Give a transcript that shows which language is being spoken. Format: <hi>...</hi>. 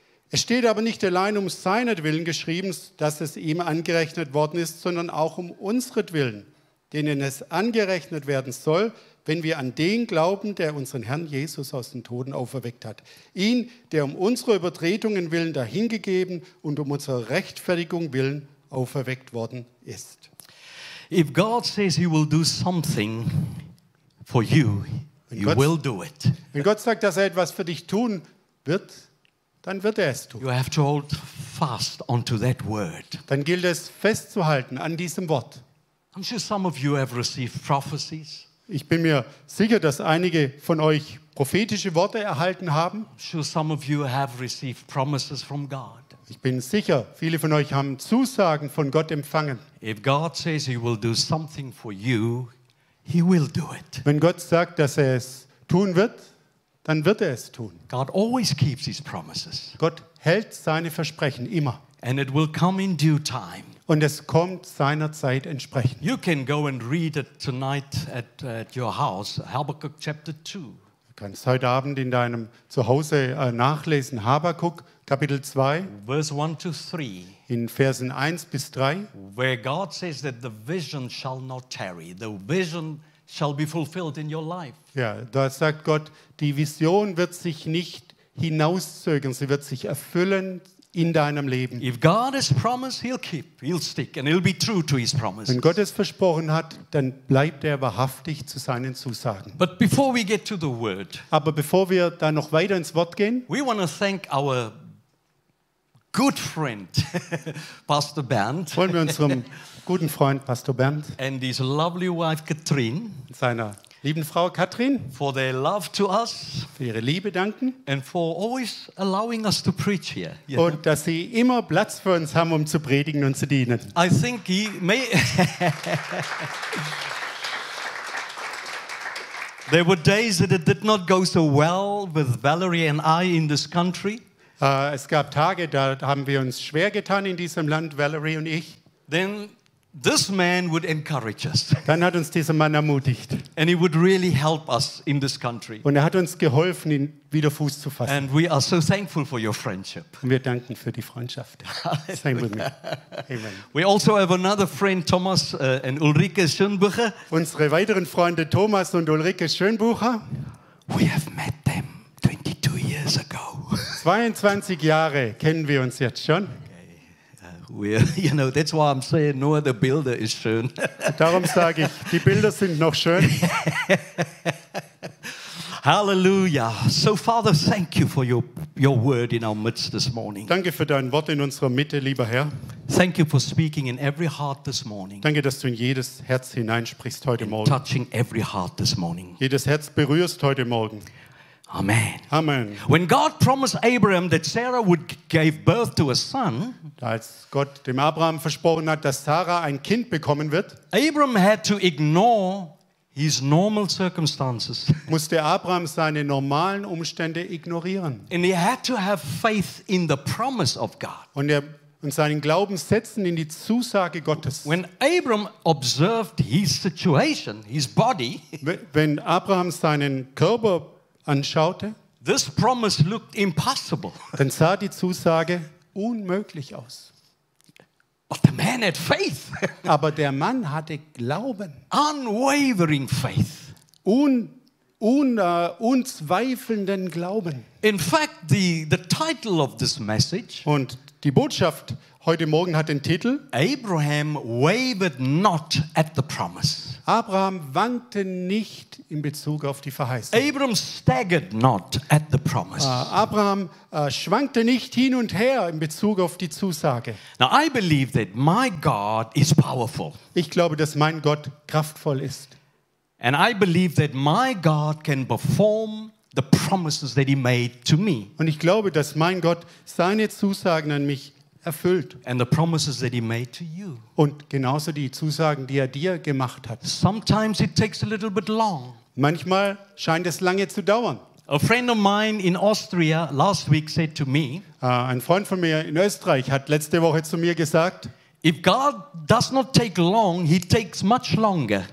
<de>Es steht aber nicht allein um seinetwillen geschrieben, dass es ihm angerechnet worden ist, sondern auch um unseretwillen, denen es angerechnet werden soll, wenn wir an den glauben, der unseren Herrn Jesus aus den Toten auferweckt hat. Ihn, der um unsere Übertretungen willen dahingegeben und um unsere Rechtfertigung willen auferweckt worden ist.</de> <en>If God says he will do something for you, you will do it.</en> <de>Wenn Gott sagt, dass er etwas für dich tun wird, dann wird er es tun.</de> <en>You have to hold fast onto that word.</en> <de>Dann gilt es festzuhalten an diesem Wort.</de> <en>I'm sure some of you have received prophecies.</en> <de>Ich bin mir sicher, dass einige von euch prophetische Worte erhalten haben.</de> <en>Some of you have received promises from God.</en> <de>Ich bin sicher, viele von euch haben Zusagen von Gott empfangen.</de> <en>If God says he will do something for you, he will do it.</en> <de>Wenn Gott sagt, dass er es tun wird, dann wird er es tun.</de> <en>God always keeps his promises.</en> <de>Gott hält seine Versprechen immer.</de> <en>And it will come in due time.</en> <de>Und es kommt seiner Zeit entsprechend.</de> <en>You can go and read it tonight at your house, Habakkuk chapter 2.</en> <de>Du kannst heute Abend in deinem Zuhause nachlesen, Habakkuk Kapitel 2,</de> <en>Verse 1 to 3.</en> <de>In Versen 1 bis 3,</de> <en>where God says that the vision shall not tarry, the vision shall be fulfilled in your life.</en> <de>Ja, da sagt Gott, die Vision wird sich nicht hinauszögern, sie wird sich erfüllen in deinem Leben.</de> <en>If God has promised, he'll keep, he'll stick, and he'll be true to his promises.</en> <de>Wenn Gott es versprochen hat, dann bleibt er wahrhaftig zu seinen Zusagen.</de> <en>But before we get to the word,</en> <de>aber bevor wir da noch weiter ins Wort gehen,</de> <en>we want to thank our good friend, Pastor Bernd.</en> <de>Wollen wir unserem guten Freund Pastor Bernd</de> <en>and his lovely wife Katrin,</en> <de>seiner lieben Frau Katrin,</de> <en>for their love to us,</en> <de>für ihre Liebe danken,</de> <en>and for always allowing us to preach here. Yeah.</en> <de>Und dass sie immer Platz für uns haben, um zu predigen und zu dienen.</de> <en>I think he may. There were days that it did not go so well with Valerie and I in this country.</en> <de>Es gab Tage, da haben wir uns schwer getan in diesem Land, Valerie und ich.</de> <en>Then this man would encourage us.</en> <de>Dann hat uns dieser Mann ermutigt.</de> <en>And he would really help us in this country.</en> <de>Und hat uns geholfen, ihn wieder Fuß zu fassen.</de> <en>And we are so thankful for your friendship.</en> <de>Und wir danken für die Freundschaft.</de> <en>Same with me. Amen. We also have another friend, Thomas and Ulrike Schönbucher.</en> <de>Unsere weiteren Freunde Thomas und Ulrike Schönbucher.</de> <en>We have met them 22 years ago.</en> <de>22 Jahre kennen wir uns jetzt schon.</de> <en>That's why I'm saying</en> <de>nur der Bilder ist schön. Darum sage ich, die Bilder sind noch schön. Hallelujah.</de> <en>So Father, thank you for your word in our midst this morning.</en> <de>Danke für dein Wort in unserer Mitte, lieber Herr.</de> <en>Thank you for speaking in every heart this morning.</en> <de>Danke, dass du in jedes Herz hineinsprichst heute Morgen.</de> <en>Touching every heart this morning.</en> <de>Jedes Herz berührst heute Morgen. Amen. Amen.</de> <en>When God promised Abraham that Sarah would give birth to a son,</en> <de>als Gott dem Abraham versprochen hat, dass Sarah ein Kind bekommen wird,</de> <en>Abraham had to ignore his normal circumstances.</en> <de>Musste Abraham seine normalen Umstände ignorieren.</de> <en>And he had to have faith in the promise of God.</en> <de>Und seinen Glauben setzen in die Zusage Gottes.</de> <en>When Abraham observed his situation, his body,</en> <de>wenn Abraham seinen Körper anschaute,</de> <en>this promise looked impossible.</en> <de>Dann sah die Zusage unmöglich aus.</de> <en>But the man had faith.</en> <de>Aber der Mann hatte Glauben.</de> <en>Unwavering faith.</en> <de>Unzweifelnden Glauben.</de> <en>In fact, the title of this message.</en> <de>Und die Botschaft heute Morgen hat den Titel:</de> <en>Abraham wavered not at the promise.</en> <de>Abraham wankte nicht in Bezug auf die Verheißung.</de> <en>Abraham staggered not at the promise.</en> <de>Abraham schwankte nicht hin und her in Bezug auf die Zusage.</de> <en>Now I believe that my God is powerful.</en> <de>Ich glaube, dass mein Gott kraftvoll ist.</de> <en>And I believe that my God can perform the promises that he made to me.</en> <de>Und ich glaube, dass mein Gott seine Zusagen an mich erfüllt.</de> <en>And the promises that he made to you.</en> <de>Und genauso die Zusagen, die er dir gemacht hat.</de> <en>Sometimes it takes a little bit long.</en> <de>Manchmal scheint es lange zu dauern.</de> <en>A friend of mine in Austria last week said to me,</en> <de>ein Freund von mir in Österreich hat letzte Woche zu mir gesagt,</de> <en>if God does not take long, he takes much longer.</en>